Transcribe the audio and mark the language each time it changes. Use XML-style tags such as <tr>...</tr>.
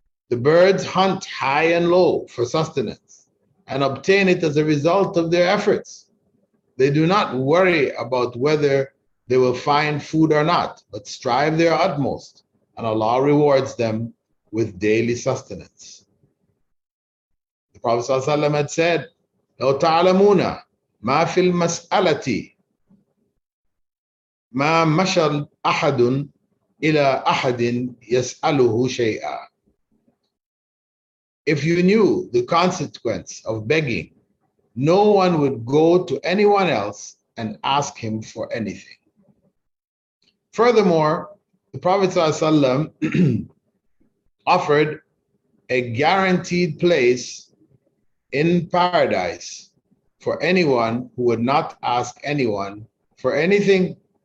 <en>The birds hunt high and low for sustenance and obtain it as a result of their efforts. They do not worry about whether they will find food or not, but strive their utmost, and Allah rewards them with daily sustenance. The Prophet ﷺ had said,</en> <ar>"لو تعلمون ما في المسألة ما مشى أحد إلى أحد يسأله شيئا."</ar> <en>If you knew the consequence of begging, no one would go to anyone else and ask him for anything. Furthermore, the Prophet ﷺ offered a guaranteed place in paradise for anyone who would not ask anyone for anything.</en>